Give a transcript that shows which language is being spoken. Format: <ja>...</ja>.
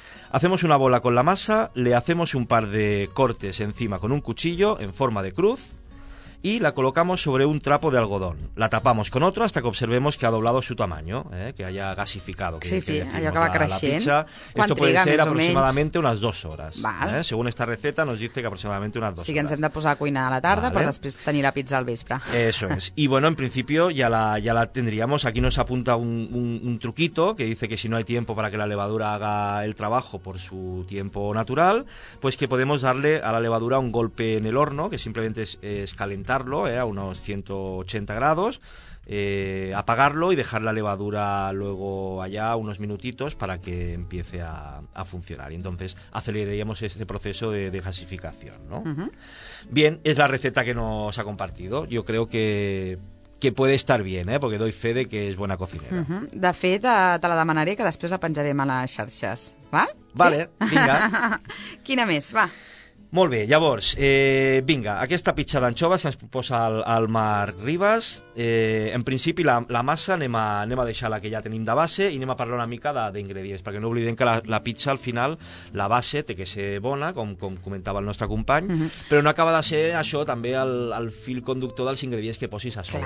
<es>Hacemos una bola con la masa, le hacemos un par de cortes encima con un cuchillo en forma de cruz y la colocamos sobre un trapo de algodón. La tapamos con otro hasta que observemos que ha doblado su tamaño, que haya gasificado. Esto puede ser aproximadamente unas 2 hores. Según esta receta nos dice que aproximadamente unas 2 hores.</es> <ca>Sí, que ens hem de posar a cuinar a la tarda, vale, per després tenir la pizza al vespre.</ca> <es>Eso es. Y bueno, en principio ya la tendríamos. Aquí nos apunta un truquito que dice que si no hay tiempo para que la levadura haga el trabajo por su tiempo natural, pues que podemos darle a la levadura un golpe en el horno, que simplemente es calentarlo a unos 180 grados, apagarlo y dejar la levadura luego allá unos minutitos para que empiece a funcionar. Y entonces aceleraríamos ese proceso de gasificación, ¿no? Uh-huh. Bien, es la receta que nos ha compartido. Yo creo que puede estar bien, porque doy fe de que es buena cocinera. Uh-huh.</es> <ca>De fet, te la demanaré, que després la penjarem a les xarxes. Val? Vale, sí? Vinga. Quina més, va. Molt bé, llavors, vinga, aquesta pizza d'anxoves que ens proposa el Marc Ribas, en principi la massa anem a deixar-la que ja tenim de base i anem a parlar una mica d'ingredients, perquè no oblidem que la pizza al final, la base, té que ser bona, com comentava el nostre company, uh-huh, però no acaba de ser això també el fil conductor dels ingredients que posis a sobre.</ca>